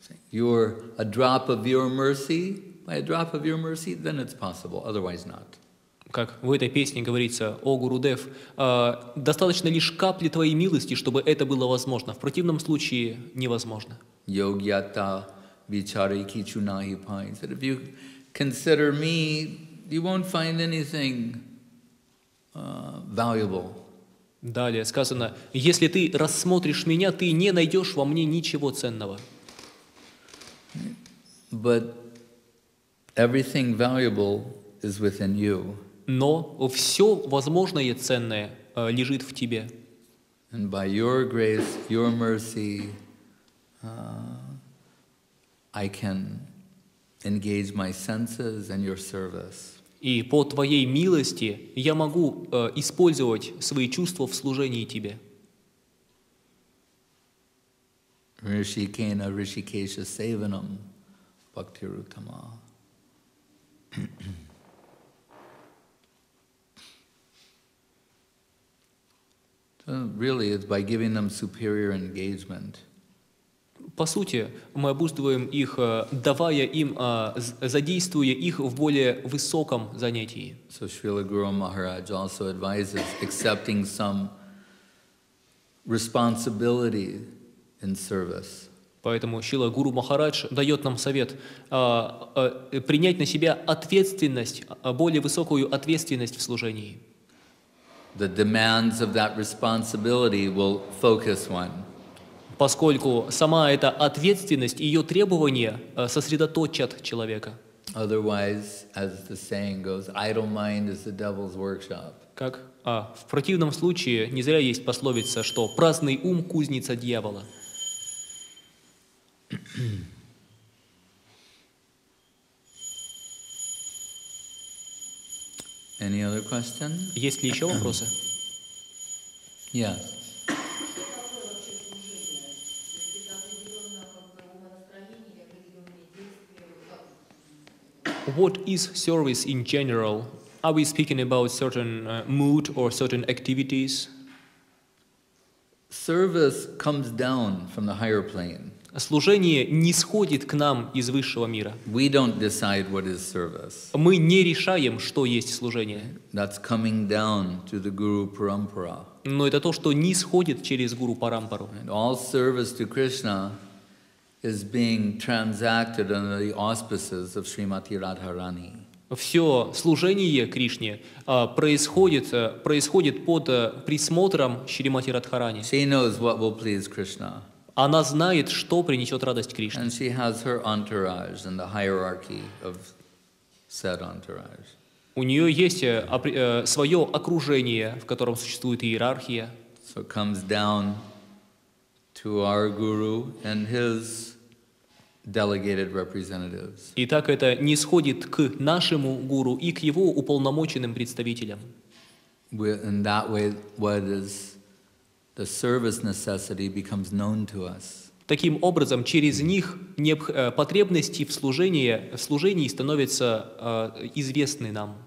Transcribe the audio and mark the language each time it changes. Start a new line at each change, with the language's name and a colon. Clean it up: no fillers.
English: You're a drop of your mercy, by a drop of your mercy, then it's possible, otherwise not.
Russian: Как в этой песне говорится, о Гуру Дев, достаточно лишь капли твоей милости, чтобы это было возможно. В противном случае невозможно.
Bangla: Йогьята вичари кичу нахи пай.
English: That if you consider me, you won't find anything valuable.
Russian: Далее сказано, если ты рассмотришь меня, ты не найдешь во мне ничего ценного.
English: But everything valuable is within you.
Russian: Но все возможное ценное лежит в тебе.
English: And by your grace, your mercy, I can engage my senses and your service.
Russian: И по твоей милости я могу использовать свои чувства в служении тебе.
Sanskrit: Ришикена ришикеша севанам бхактирутама.
English: So really, it's by giving them superior engagement.
Russian: По сути, мы обуздываем их, давая им, задействуя их в более высоком занятии.
English: So Srila Guru Maharaj also advises accepting some responsibility in service.
Russian: Поэтому Шрила Гуру Махарадж дает нам совет принять на себя ответственность, более высокую ответственность в служении.
English: The demands of that responsibility will focus one.
Russian: Поскольку сама эта ответственность и ее требования сосредоточат человека.
English: Otherwise, as the saying goes, idle mind is the devil's workshop.
Russian: Как? В противном случае, не зря есть пословица, что праздный ум – кузница дьявола.
English: Any other question?
Russian: Есть ли еще вопросы?
English: Yes. What is service in general? Are we speaking about certain mood or certain activities? Service comes down from the higher plane.
Russian: Служение нисходит к нам из высшего мира.
English: We don't decide what is service.
Russian: Мы не решаем, что есть служение.
English: That's coming down to the Guru Parampara.
Russian: Но это то, что нисходит через Гуру Парампару.
English: And all service to Krishna is being transacted under the auspices of Srimati Radharani.
Russian: Все служение Кришне происходит под присмотром Шримати Радхарани.
English: She knows what will please Krishna.
Russian: Она знает, что принесет радость Кришне.
English: And she has her entourage and the hierarchy of said entourage.
Russian: У нее есть свое окружение, в котором существует иерархия.
English: So it comes down to our guru and his delegated representatives.
Russian: Итак, это нисходит к нашему гуру и к его уполномоченным представителям.
English: In that way, what is the service necessity becomes known to us.
Russian: Таким образом, через них потребности в служении становятся известны нам.